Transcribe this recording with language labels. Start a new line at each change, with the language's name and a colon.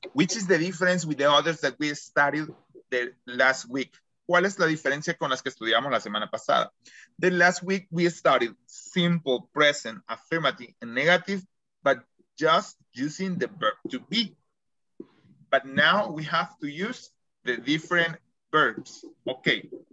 English: Which is the difference with the others that we studied the last week?
Spanish: ¿Cuál es la diferencia con las que estudiamos la semana pasada?
English: The last week, we studied simple present, affirmative, and negative, but just using the verb to be. But now we have to use the different verbs. Okay.